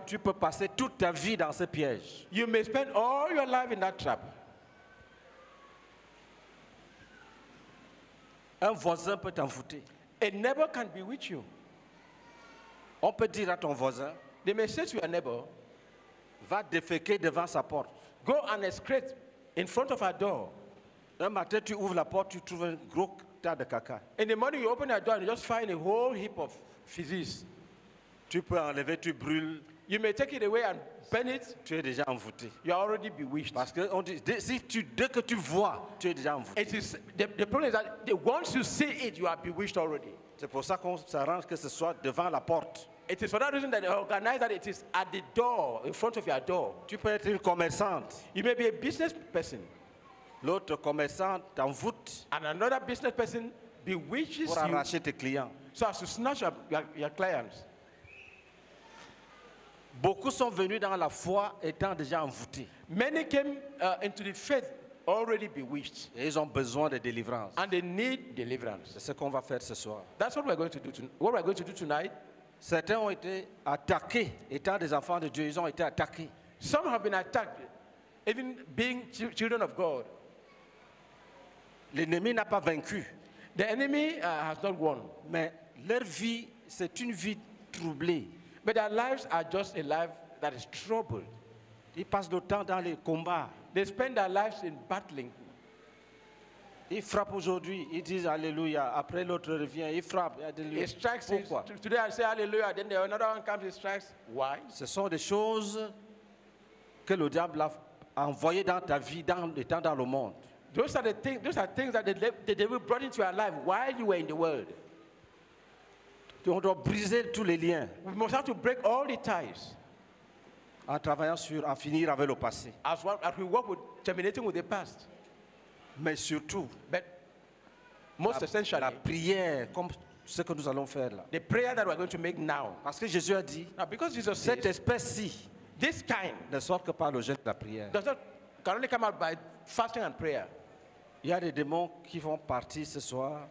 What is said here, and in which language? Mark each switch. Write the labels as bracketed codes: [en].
[fr] tu peux passer toute ta vie dans ce piège. [en] You may spend all your life in that trap. [fr] Un voisin peut t'envoûter. [en] A neighbor can bewitch you. [fr] On peut dire à ton voisin, [en] they may say to your neighbor, [fr] va déféquer devant sa porte. [en] Go and excrete in front of her door. [fr] Un matin, tu ouvres la porte, tu trouves un gros tas de caca. [en] In the morning, you open your door and you just find a whole heap of feces. [fr] Tu peux enlever, tu brûles. [en] You may take it away and burn it. [fr] Tu es déjà envoûté. [en] You are already bewitched. [fr] Parce que on dit, si tu, dès que tu vois, tu es déjà envoûté. [en] It is, the problem is that once you see it, you are bewitched already. [fr] C'est pour ça qu'on s'arrange que ce soit devant la porte. [en] It is for that reason that they organize that it is at the door, in front of your door. [fr] Tu peux être une commerçante. [en] You may be a business person. [fr] L'autre commerçant t'envoûte. [en] And another business person bewitches [fr] pour arracher tes clients. [en] So as to snatch your clients. [fr] Beaucoup sont venus dans la foi étant déjà envoûtés. [en] Many came into the faith already bewitched. [fr] Et ils ont besoin de délivrance. [en] And they need deliverance. [fr] C'est ce qu'on va faire ce soir. [en] That's what we're going to do. What we're going to do tonight. [fr] Certains ont été attaqués étant des enfants de Dieu. Ils ont été attaqués. [en] Some have been attacked, even being children of God. [fr] L'ennemi n'a pas vaincu. [en] The enemy has not won. [fr] Mais leur vie, c'est une vie troublée. [en] But their lives are just a life that is troubled. [fr] Ils passent le temps dans les combats. [en] They spend their lives in battling. [fr] Ils frappent aujourd'hui, ils disent alléluia. Après l'autre revient, ils frappent. [en] He strikes. [fr] Pourquoi? [en] Today I say alléluia, then the another one comes and strikes. Why? [fr] Ce sont des choses que le diable a envoyées dans ta vie, dans le temps, dans le monde. [en] Those are the things. Those are things that the devil brought into your life while you were in the world. [fr] On doit briser tous les liens. [en] We must have to break all the ties. [fr] En travaillant sur, en finir avec le passé. [en] As we work with terminating with the past. [fr] Mais surtout, [en] but most essentially, [fr] la prière, comme ce que nous allons faire là. [en] The prayer that we're going to make now. [fr] Parce que Jésus a dit. [en] Now because Jesus said, [fr] cette espèce-ci, [en] this kind, [fr] ne sort que par le jeûne de la prière. [en] Does not can only come out by fasting and prayer. [fr] Il y a des démons qui vont partir ce soir.